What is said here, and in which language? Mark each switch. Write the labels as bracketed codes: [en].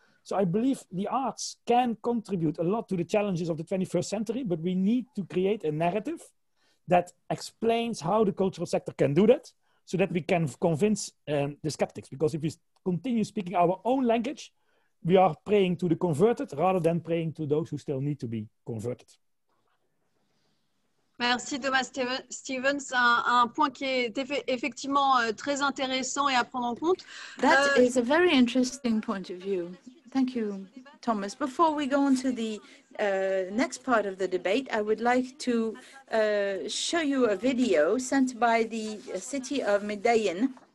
[en] So I believe the arts can contribute a lot to the challenges of the 21st century, but we need to create a narrative that explains how the cultural sector can do that so that we can convince the skeptics. Because if we continue speaking our own language, we are praying to the converted rather than praying to those who still need to be converted. [fr] Merci Thomas Steffens. Un point qui est effectivement très intéressant et à prendre en compte. [en] That is a very interesting point of view. Thank you, Thomas. Before we go on to the next part of the debate, I would like to show you a video sent by the city of Medellin.